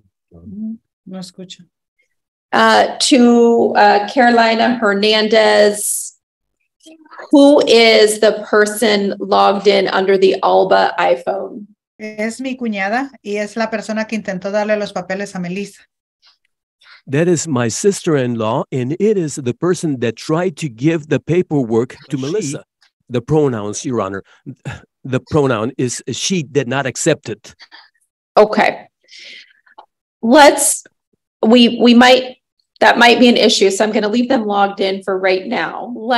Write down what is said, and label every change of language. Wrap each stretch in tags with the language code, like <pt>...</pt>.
<es>No escucha.</es> <en>To Carolina Hernandez, who is the person logged in under the Alba iPhone?</en> <es>Es mi cuñada y es la persona que intentó darle los papeles a Melissa.</es> <en>That is my sister-in-law, and it is the person that tried to give the paperwork to she. Melissa. The pronouns, Your Honor. The pronoun is she did not accept it. Okay. That might be an issue, so I'm going to leave them logged in for right now.</en>